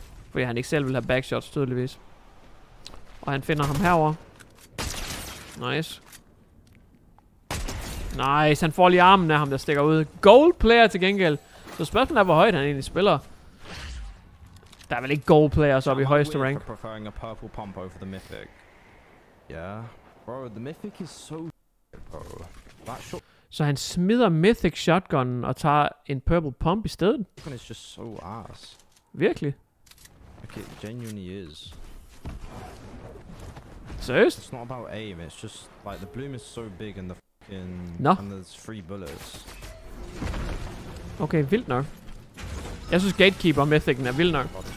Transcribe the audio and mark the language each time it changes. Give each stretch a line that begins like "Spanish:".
Danish: Fordi han ikke selv vil have backshots, tydeligvis. Og han finder ham herovre. Nice. Nice, han får lige armen af ham, der stikker ud. Gold player til gengæld. Så spørgsmålet er, hvor højt han egentlig spiller. Der er vel ikke gold players oppe i højeste rank.
English: I'm preferring a purple pump over the mythic. Yeah. Bro, the mythic is so shit, bro. That shot.
Danish: Så han smider mythic shotgun og tager en purple pump i stedet.
English: Shotgun is just so ass.
Danish: Virkelig?
English: Okay, genuinely is.
Danish: Seriøst?
English: It's not about aim, it's just like the bloom is so big and the fucking... No. And there's three bullets.
Danish: Okay, vildt nok. Jeg synes gatekeeper mythicen er vild nok.